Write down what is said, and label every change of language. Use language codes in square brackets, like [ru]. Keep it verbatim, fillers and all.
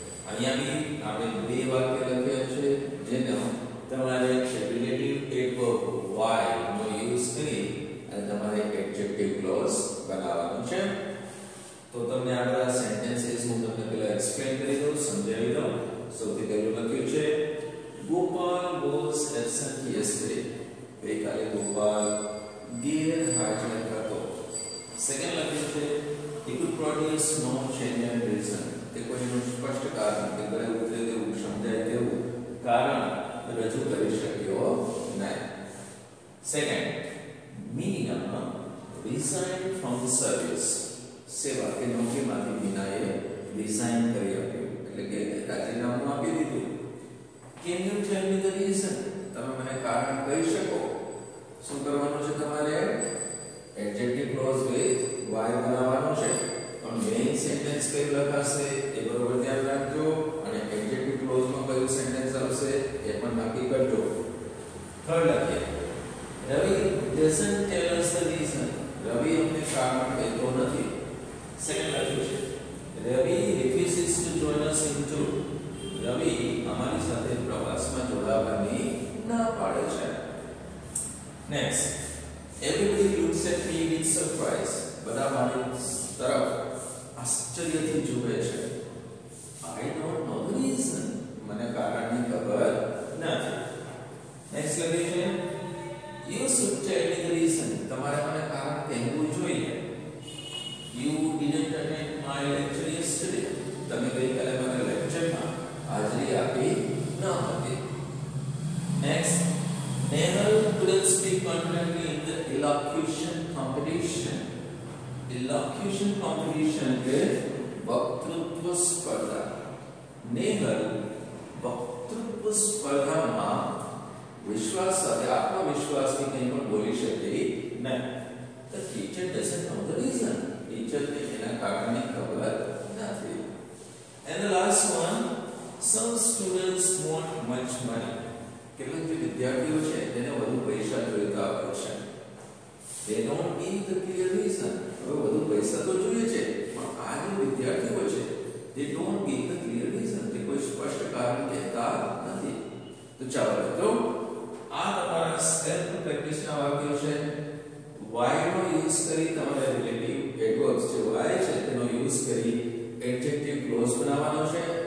[gu] અહીંયા બી આપણે બે વાક્ય લખ્યા છે જેનો તમારે રિલેટિવ એડવર્બ વાય નો યુઝ કરી અને તમારે એડજેક્ટિવ ક્લોઝ બનાવવાનું છે. તો તમને આપણા સેન્ટેન્સીસ હું તમને પહેલા એક્સપ્લેન કરી દઉં, સમજાવી દઉં. સૌથી પહેલું લખ્યું છે ગોપાલ [en] Was absent yesterday. [gu] ગઈકાલે ગોપાલ ગેરહાજર હતો. સેકન્ડ લખ્યું છે [en] he could produce no change and reason. [gu] તે કોઈનું સ્પષ્ટ કારણ કે ગળે ઉતરે તેવું સમજાય તેવું કારણ રજૂ કરી શક્યો નહીં. [en] Second Meena resign from the service. [gu] સેવા કે નોકરીમાંથી મીનાએ રિઝાઇન કરી આપ્યું એટલે કે રાજીનામું આપી દીધું. [en] Can you tell me the reason? [gu] તમે મને કારણ કહી શકો? શું કરવાનું છે તમારે? એડજેક્ટિવ ક્લોઝ વિથ વાય બનાવવાનો છે. પણ મેઇન સેન્ટેન્સ કયું લખાશે એ બરોબર ધ્યાન રાખજો અને એડજેક્ટિવ ક્લોઝમાં કયું સેન્ટેન્સ આવશે એ પણ નક્કી કરજો. થર્ડ લખીએ [en] Ravi doesn't tell us the reason. [gu] રવિ અમને કારણ કહેતો નથી. સેકન્ડ લખ્યું છે રવિ [en] refuses to join us into. [gu] રવિ અમારી સાથે પ્રવાસમાં જોડાવાની ના પાડે છે. [en] Next everybody looks at me with surprise. [gu] બધા મારી તરફ આશ્ચર્યથી જુએ છે. [en] I don't know the reason. [gu] મને કારણની ખબર નથી. નેક્સ્ટ લખે છે [en] you should tell me the reason. [gu] તમારે મને કારણ કહેવું જોઈએ. [en] You didn't attend my lecture yesterday. [gu] તમે ગઈકાલે મારા લેક્ચરમાં હાજરી આપી ન હતી. [en] Next Nehal couldn't speak confidently in the elocution competition. [gu] Elocution competition એટલે વક્તૃત્વ સ્પર્ધા. નેહલ વક્તૃત્વ સ્પર્ધામાં વિશ્વાસ સાથે આત્મવિશ્વાસથી કંઈ પણ બોલી શકી નહીં. [en] The teacher doesn't know the reason. [gu] ટીચરને એના કારણની ખબર નથી. [en] And the last one some students want much money. [gu] કેટલાક જે વિદ્યાર્થીઓ છે તેને વધુ પૈસા જોઈતા હોય છે. [en] They don't give the clear reason. [gu] હવે વધુ પૈસા તો જોઈએ છે પણ આ જે વિદ્યાર્થીઓ છે [en] they don't give the clear reason. [gu] તે કોઈ સ્પષ્ટ કારણ કહેતા નથી. તો ચાલો મિત્રો આ તમારા સેલ્ફ પ્રેક્ટિસના વાક્યો છે. વાયનો યુઝ કરી તમારા રિલેટિવ એડવર્બ્સ જે વાય છે તેનો યુઝ કરી એડજેક્ટિવ ક્લોઝ બનાવવાનો છે.